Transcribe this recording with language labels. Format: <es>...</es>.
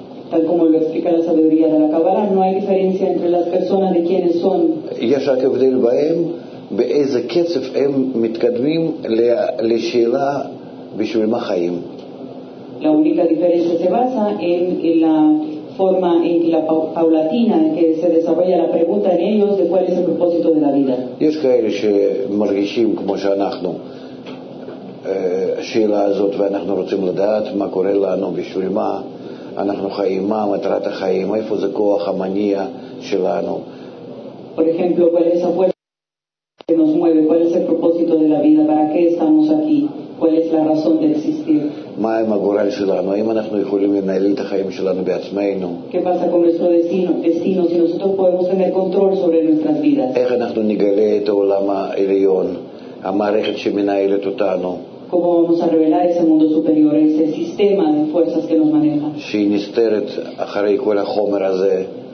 <es>Tal como lo explica la sabiduría de la Kabbalah, no hay diferencia entre las personas de quienes son.</es> <he>יש רק הבדל בהם באיזה קצב הם מתקדמים לשאלה בשביל מה חיים.</he> <es>La única diferencia se basa en la forma en que la paulatina que se desarrolla la pregunta en ellos de cuál es el propósito de la vida.</es> <he>יש כאלה שמרגישים כמו שאנחנו השאלה הזאת, ואנחנו רוצים לדעת מה קורה לנו, בשביל מה אנחנו חיים, מה מטרת החיים, איפה זה כוח המניע שלנו.</he> <es>Por ejemplo, cuál es la fuerza que nos mueve, cuál es el propósito de la vida, para qué estamos aquí, cuál es la razón de existir.</es> <he>מה עם הגורל שלנו, האם אנחנו יכולים לנהל את החיים שלנו בעצמנו.</he> <es>¿Qué pasa con nuestro destino? Destino, si nosotros podemos tener control sobre nuestras vidas.</es> <he>איך אנחנו נגלה את העולם העליון, המערכת שמנהלת אותנו.</he> <es>¿Cómo vamos a revelar ese mundo superior, ese sistema de fuerzas que nos maneja?</es> <he>שהיא נסתרת אחרי כל החומר הזה.</he>